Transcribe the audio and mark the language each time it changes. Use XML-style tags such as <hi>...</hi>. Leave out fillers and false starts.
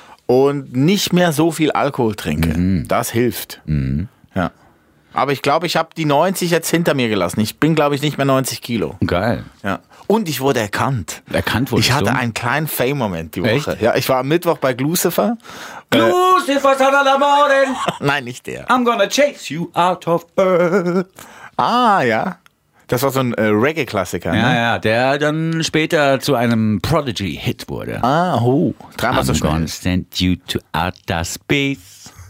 <de>Und nicht mehr so viel Alkohol trinke. Mhm. Das hilft. Mhm. Ja. Aber ich glaube, ich habe die 90 jetzt hinter mir gelassen. Ich bin, glaube ich, nicht mehr 90 Kilo. Geil. Ja. Und ich wurde erkannt. Erkannt wurde ich. Ich hatte einen kleinen Fame-Moment die Woche. Echt? Ja, ich war am Mittwoch bei Glucifer.</de> <en>Glucifer, son of the morning.</en> <de>Nein, nicht der.</de> <en>I'm gonna chase you out of earth.</en> <de>Ah, ja. Das war so ein Reggae-Klassiker. Ja, ne? Ja, der dann später zu einem Prodigy-Hit wurde. Ah, oh. Dreimal so schnell.</de> <en>I'm gonna send you to outer space.</en>